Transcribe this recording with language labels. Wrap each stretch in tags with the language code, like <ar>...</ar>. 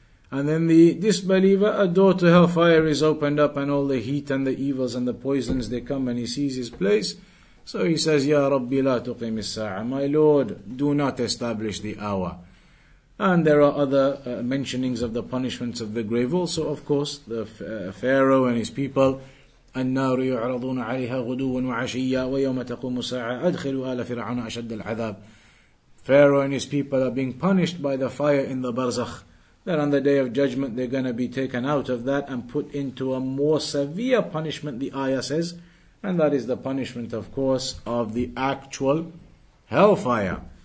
<en>And then the disbeliever, a door to hellfire is opened up, and all the heat and the evils and the poisons, they come, and he sees his place. So he says,</en> <ar>Ya Rabbi, la tuqim as-sa'ah.</ar> <en>My Lord, do not establish the hour. And there are other mentionings of the punishments of the grave. Also, of course, the Pharaoh and his people.</en> <ar>النار يعرضون عليها غدوا وعشيا ويوم تقوم الساعة أدخلوا آل فرعون أشد العذاب.</ar> <en>Pharaoh and his people are being punished by the fire in the barzakh. Then on the day of judgment, they're going to be taken out of that and put into a more severe punishment, the ayah says. And that is the punishment, of course, of the actual hellfire.</en>